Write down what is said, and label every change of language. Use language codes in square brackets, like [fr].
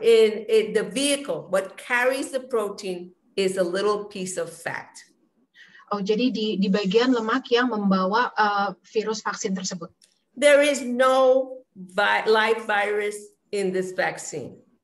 [en] In the vehicle, what carries the protein is a little piece of fat. [id] Oh, jadi di bagian lemak yang membawa virus vaksin tersebut. [en] There is no live virus in this vaccine.